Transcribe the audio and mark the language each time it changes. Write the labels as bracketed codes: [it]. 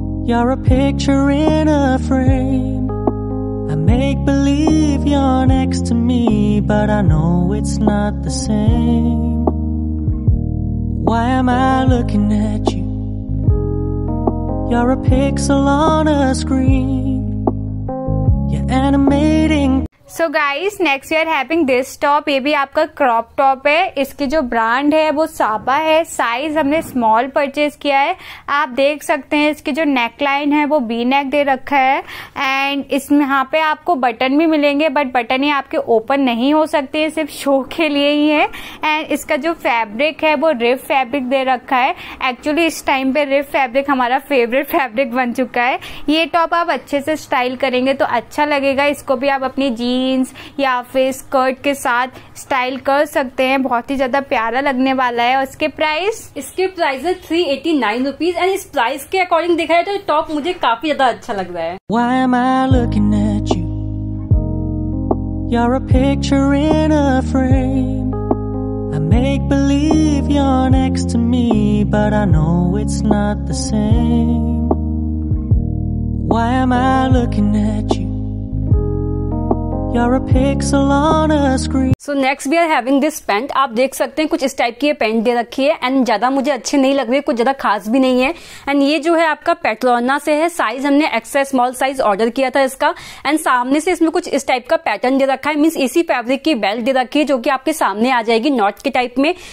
[en] You're a picture in a frame. I make believe you're next to me, but I know it's not the same. am I looking at you? You're a pixel on a screen. You're animating. So guys next year having this top, [hi] ये भी आपका crop top है। इसकी जो brand है वो साबा है, साइज हमने स्मॉल परचेज किया है। आप देख सकते हैं इसकी जो नेक लाइन है वो बी नेक दे रखा है, एंड इसमें यहाँ पे आपको बटन भी मिलेंगे, बट बटन ये आपके ओपन नहीं हो सकते हैं, सिर्फ शो के लिए ही है। एंड इसका जो फैब्रिक है वो रिफ फैब्रिक दे रखा है। एक्चुअली इस टाइम पे रिफ फैब्रिक हमारा फेवरेट फैब्रिक बन चुका है। ये टॉप आप अच्छे से स्टाइल करेंगे तो अच्छा लगेगा। इसको भी आप अपनी जी जीन्स या फिर स्कर्ट के साथ स्टाइल कर सकते हैं, बहुत ही ज्यादा प्यारा लगने वाला है। और इसके प्राइस है 389 रुपीज, एंड इस प्राइस के अकॉर्डिंग देखा जाए तो टॉप मुझे काफी ज्यादा अच्छा लग रहा है। [en] Why am I looking at you? You're a picture in a frame. I make believe you're next to me, but I know it's not the same. Why am I looking at you? You're a pixel on a screen. So next we are having this paint. [hi] आप देख सकते हैं कुछ इस type की ये paint दे रखी है, एंड ज्यादा मुझे अच्छे नहीं लग रहे, कुछ ज्यादा खास भी नहीं है। एंड ये जो है आपका पेट्रोना से है, साइज हमने एक्सेल स्मॉल साइज ऑर्डर किया था इसका। एंड सामने से इसमें कुछ इस टाइप का पैटर्न दे रखा है, मीन्स इसी फैब्रिक की बेल्ट दे रखी है जो कि आपके सामने आ जाएगी नॉट के टाइप में।